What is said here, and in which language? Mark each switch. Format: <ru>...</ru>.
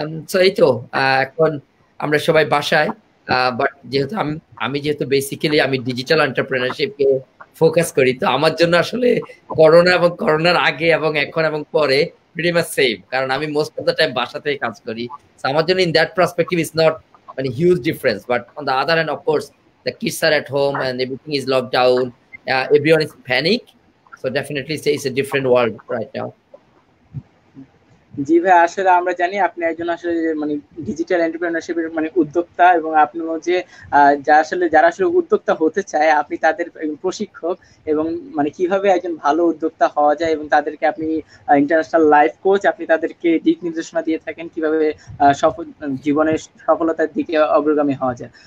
<bn>So এই তো, এখন আমরা সবাই বাসায়। বাট যেহেতু আমি যেহেতু বেসিক্যালি আমি ডিজিটাল এন্টারপ্রেনারশিপ কে ফোকাস করি, তো আমার জন্য আসলে করোনা এবং করোনার আগে এবং এখন এবং পরে প্রিটি মাচ সেম, কারণ আমি মোস্ট অফ দ্য টাইম বাসাতেই কাজ করি। আমার জন্য</bn> <en>in that perspective is not</en> <bn>মানে huge difference,</bn> <en>But on the other hand of course the kids are at home and everything is locked down. Everyone is panic. So definitely say it's a different world right now.</en> <bn>জি ভাই, আসলে আমরা জানি আপনি একজন আসলে মানে digital এন্টারপ্রেনারশিপের মানে উদ্যোক্তা, এবং আপনি যে যা আসলে যারা আসলে উদ্যোক্তা হতে চায় আপনি তাদের প্রশিক্ষক, এবং মানে কিভাবে একজন ভালো উদ্যোক্তা হওয়া যায় এবং তাদেরকে আপনি ইন্টারন্যাশনাল লাইফ কোচ, আপনি তাদেরকে দিক নির্দেশনা দিয়ে থাকেন কিভাবে সফল জীবনের সফলতার দিকে অগ্রগামী হওয়া যায়।</bn>